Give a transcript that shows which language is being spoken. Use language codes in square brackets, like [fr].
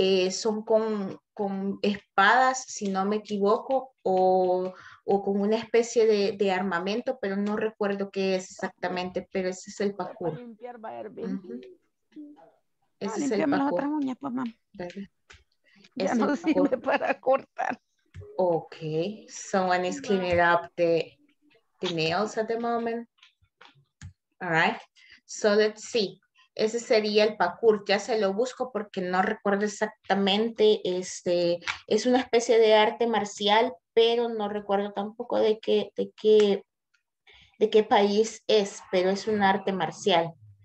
[es] Son con espadas, si no me equivoco, o con una especie de armamento, pero no recuerdo qué es exactamente, pero ese es el parkour. Para limpiar, va a ir bien. Uh-huh. Ese es el parkour. Limpiarme las otras uñas, mamá. Ya no sirve para cortar. [en] Ok, someone is cleaning up the nails at the moment. All right, so let's see. [es] Ese sería el parkour, ya se lo busco porque no recuerdo exactamente, es una especie de arte marcial, pero no recuerdo tampoco de qué país es, pero es un arte marcial.